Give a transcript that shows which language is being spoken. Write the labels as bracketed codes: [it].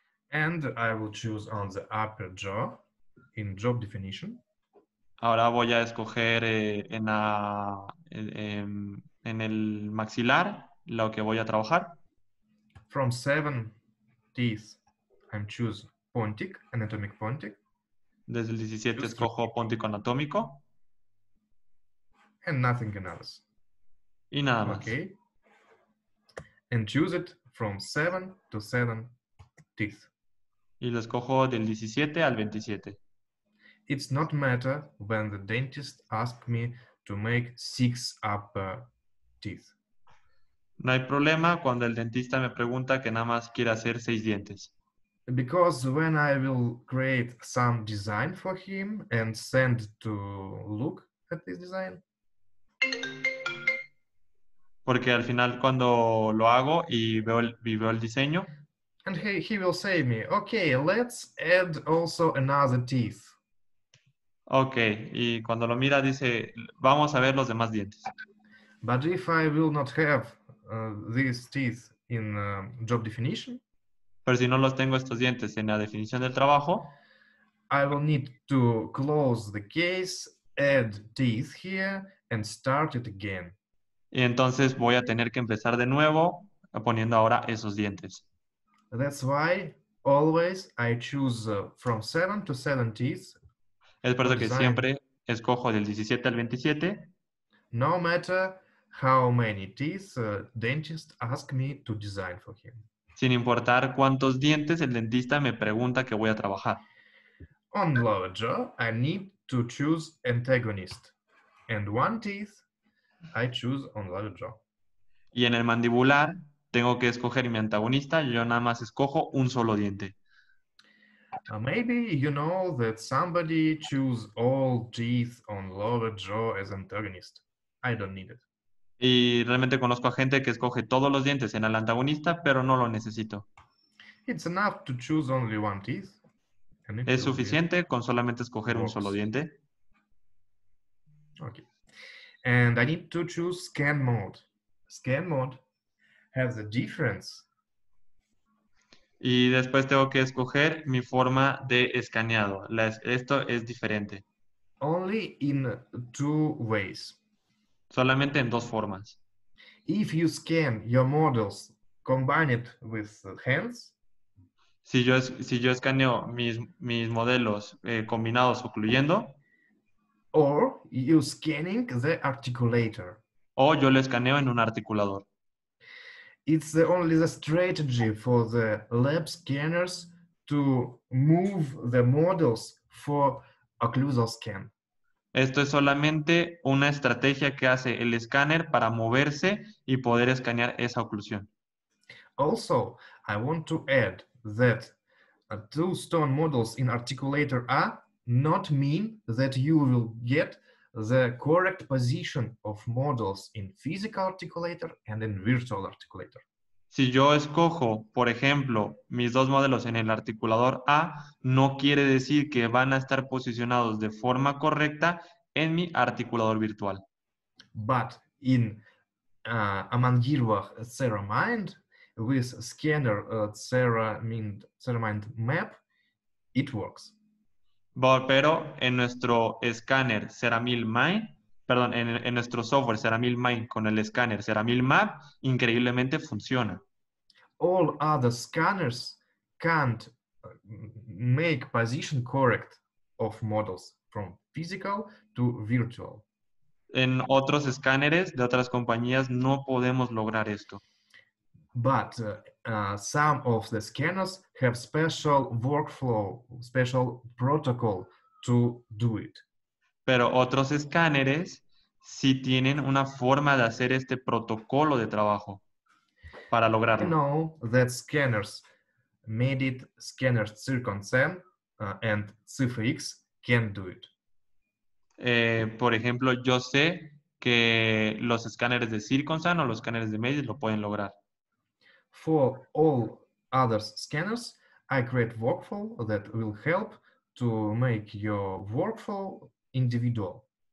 [en] And I will choose on the upper jaw in job definition. [es] Ahora voy a escoger en el maxilar lo que voy a trabajar. [en] From seven teeth, I'm choosing. pontic, anatomic pontic. [es] Desde el 17 escojo pontico anatómico. [en] And nothing else. [es] Y nada más. [en] Okay. And choose it from 7 to 7 teeth. [es] Y lo escojo del 17 al 27. [en] It's not matter when the dentist asks me to make 6 upper teeth. [es] No hay problema cuando el dentista me pregunta que nada más quiere hacer 6 dientes. [en] Because when I will create some design for him and send to look at this design. [es] Porque al final cuando lo hago y veo el diseño. [en] And he will say me, okay, let's add also another teeth. [es] Okay, y cuando lo mira dice, vamos a ver los demás dientes. [en] But if I will not have these teeth in job definition. [es] Pero si no los tengo estos dientes en la definición del trabajo. [en] I will need to close the case, add teeth here, and start it again. [es] Y entonces voy a tener que empezar de nuevo poniendo ahora esos dientes. [en] That's why always I choose from 7 to 7 teeth. [es] Es por eso que siempre escojo del 17 al 27. [en] No matter how many teeth dentist ask me to design for him. [es] Sin importar cuántos dientes el dentista me pregunta que voy a trabajar. [en] On lower jaw, I need to choose antagonist. And one teeth, I choose on lower jaw. [es] Y en el mandibular, tengo que escoger mi antagonista. Yo nada más escojo un solo diente. [en] Maybe you know that somebody choose all teeth on lower jaw as antagonist. I don't need it. [es] Y realmente conozco a gente que escoge todos los dientes en el antagonista, pero no lo necesito. [en] It's enough to choose only one teeth. [es] Es suficiente con solamente escoger un solo diente. [en] Okay. And I need to choose scan mode. Scan mode has a difference. [es] Y después tengo que escoger mi forma de escaneado. Esto es diferente. [en] Only in two ways. [es] Solamente en dos formas. [en] If you scan your models combined with hands. [es] Si yo escaneo mis modelos combinados o incluyendo. [en] Or you scanning the articulator. [es] O yo lo escaneo en un articulador. [en] It's the only the strategy for the lab scanners to move the models for occlusal scan. [es] Esto es solamente una estrategia que hace el escáner para moverse y poder escanear esa oclusión. [en] Also, I want to add that two stone models in articulator A not mean that you will get the correct position of models in physical articulator and in virtual articulator. [es] Si yo escojo, por ejemplo, mis dos modelos en el articulador A, no quiere decir que van a estar posicionados de forma correcta en mi articulador virtual. [en] But in Amangirwach Ceramind, with scanner Ceramind map, it works. [es] Pero en nuestro escáner CeramilMind, perdón, en nuestro software CeramilMind con el escáner CeramilMap, increíblemente funciona. [en] All other scanners can't make position correct of models from physical to virtual. [es] En otros escáneres de otras compañías no podemos lograr esto. [en] But some of the scanners have special workflow, special protocol to do it. [es] Pero otros escáneres sí tienen una forma de hacer este protocolo de trabajo para lograrlo. [en] I know that scanners made it, scanners CirconSem and CIFX can do it. [es] Por ejemplo, yo sé que los escáneres de CirconSem o los escáneres de Medit lo pueden lograr. [en] For all other scanners, I create workflow that will help to make your workflow individual.